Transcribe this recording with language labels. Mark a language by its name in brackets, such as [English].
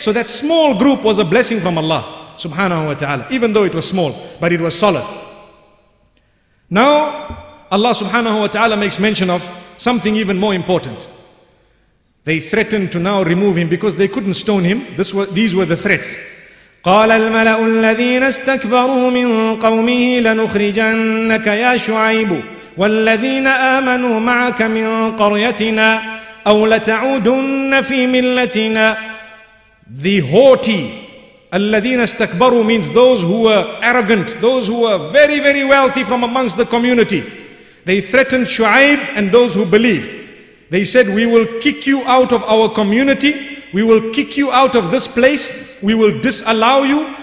[English] So that small group was a blessing from Allah subhanahu wa ta'ala, even though it was small, but it was solid. Now Allah subhanahu wa ta'ala makes mention of something even more important. They threatened to now remove him because they couldn't stone him. These were the threats. [Arabic] قال الملأ الذين استكبروا من قومه لنخرجنك يا شعيب والذين آمنوا معك من قريتنا أو لتعودن في ملتنا. [English] The haughty [Arabic] الذين استكبروا [English] means those who were arrogant, those who were very, very wealthy from amongst the community. They threatened Shu'aib and those who believed. They said, we will kick you out of our community. We will kick you out of this place. We will disallow you.